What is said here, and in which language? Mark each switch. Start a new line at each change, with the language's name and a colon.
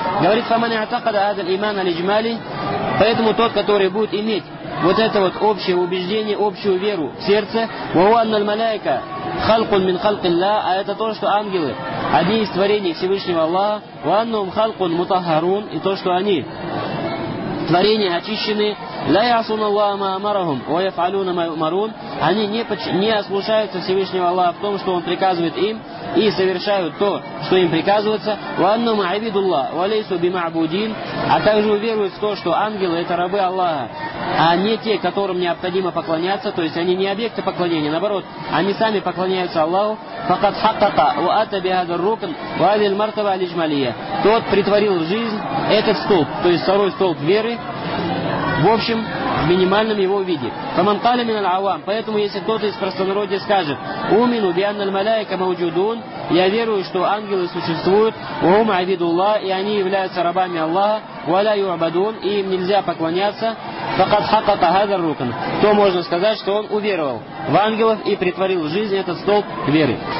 Russian: Говорит,
Arabic: фамани атакада адаль иман аль-джмали.
Russian: Поэтому тот, который будет иметь вот это вот общее убеждение, общую веру в сердце.
Arabic: Вауанна аль-малайка халкун мин халкилля.
Russian: А это то, что ангелы — одни из творений Всевышнего Аллаха.
Arabic: Вауаннум халкун мутахарун.
Russian: И то, что они — творения очищены.
Arabic: لا يعصون الله ما أمرهم ويفعلون ما يؤمرون.
Russian: Они не ослушаются Всевышнего Аллаха в том, что Он приказывает им, и совершают то, что им приказывается.
Arabic: وأنهم عبيد الله وليسوا بمعبودين.
Russian: А также уверуют в то, что ангелы — это рабы Аллаха, а не те, которым необходимо поклоняться. То есть они не объекты поклонения, наоборот, они сами поклоняются Аллаху.
Arabic: فقد حقق وأتى بهذا الركن وهذه المرتبة الإجمالية.
Russian: Тот притворил в жизнь этот столб, то есть второй столб веры, в общем, минимальном его виде.
Arabic: Фаман кали минал авам.
Russian: Поэтому если кто-то из простонародья скажет,
Arabic: умину бианна аль-малайка мауджудун,
Russian: я верую, что ангелы существуют,
Arabic: ум авидуллах,
Russian: и они являются рабами Аллаха,
Arabic: валя юабадун,
Russian: и им нельзя поклоняться,
Arabic: факат хаката хазар рукан,
Russian: то можно сказать, что он уверовал в ангелов и притворил в жизнь этот столб веры.